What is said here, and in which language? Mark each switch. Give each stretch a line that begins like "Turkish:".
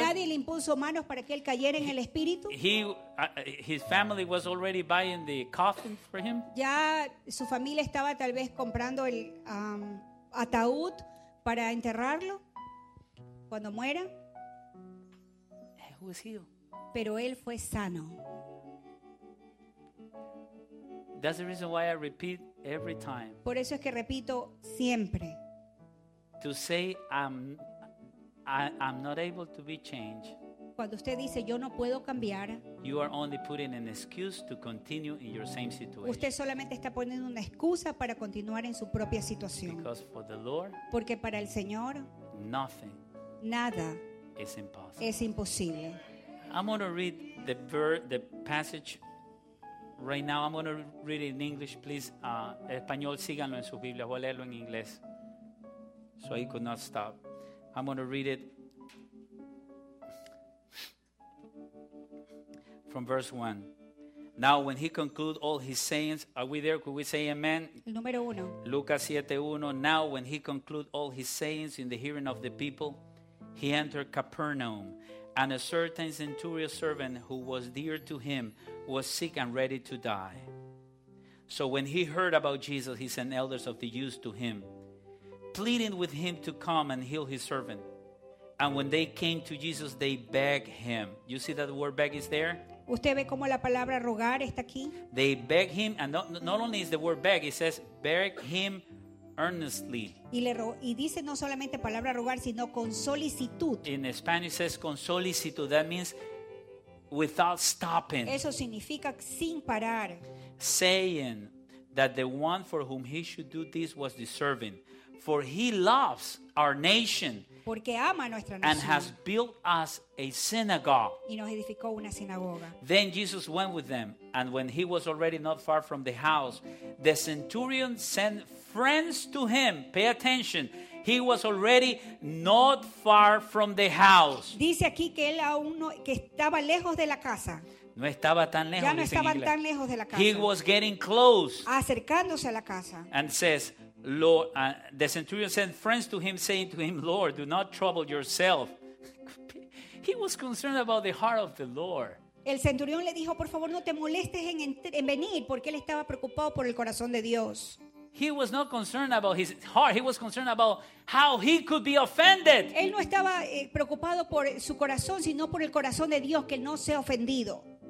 Spanish: Nadie le impuso manos para que él cayera en el espíritu.
English: His family was already buying the coffin for him.
Spanish: Ya su familia estaba tal vez comprando el ataúd para enterrarlo cuando muera.
English: Who was healed?
Spanish: Pero él fue sano.
English: That's the reason why I repeat every time.
Spanish: Por eso es que repito siempre.
English: To say I'm not able to be changed.
Spanish: Cuando usted dice yo no puedo cambiar.
English: You are only putting an excuse to continue in your same situation.
Spanish: Usted solamente está poniendo una excusa para continuar en su propia situación.
English: Because for the Lord.
Spanish: Porque para el Señor.
English: Nothing.
Spanish: Nada.
English: Is impossible.
Spanish: Es imposible.
English: I'm going to read the passage right now. I'm going to read it in English, please.
Spanish: Español, síganlo en sus Biblias. Voy a leerlo en inglés.
English: So I could not stop. I'm going to read it from verse 1. Now, when he concluded all his sayings, are we there? Could we say amen?
Spanish: El número uno. Lucas 7:1.
English: Now, when he concluded all his sayings in the hearing of the people, he entered Capernaum. And a certain centurion servant who was dear to him was sick and ready to die. So when he heard about Jesus, he sent elders of the Jews to him, pleading with him to come and heal his servant. And when they came to Jesus, they begged him. You see that the word beg is there?
Spanish: ¿Usted ve cómo la palabra rogar está aquí?
English: They begged him, and not only is the word beg, it says beg him earnestly.
Spanish: Y dice no solamente palabra rogar, sino con solicitud.
English: In Spanish it says
Spanish: con solicitud.
English: That means without stopping.
Spanish: Eso significa sin parar.
English: Saying that the one for whom he should do this was deserving. For he loves our nation.
Spanish: Porque ama a nuestra nación.
English: And has built us a synagogue.
Spanish: Y nos edificó una sinagoga.
English: Then Jesus went with them. And when he was already not far from the house, the centurion sent friends to him. Pay attention. He was already not far from the house.
Spanish: Dice aquí que él aún no, que estaba lejos de la casa. No estaba tan lejos, ya no estaba tan lejos de la casa.
English: He was getting close.
Spanish: Acercándose a la casa.
English: And says, Lord, the centurion sent friends to him, saying to him, Lord, do not trouble yourself. He was concerned about the heart of the Lord.
Spanish: El centurión le dijo, por favor, no te molestes en venir, porque él estaba preocupado por el corazón de Dios.
English: He was not concerned about his heart. He was concerned about how he could be offended.
Spanish: Él no estaba preocupado por su corazón, sino por el corazón de Dios, que no sea ofendido.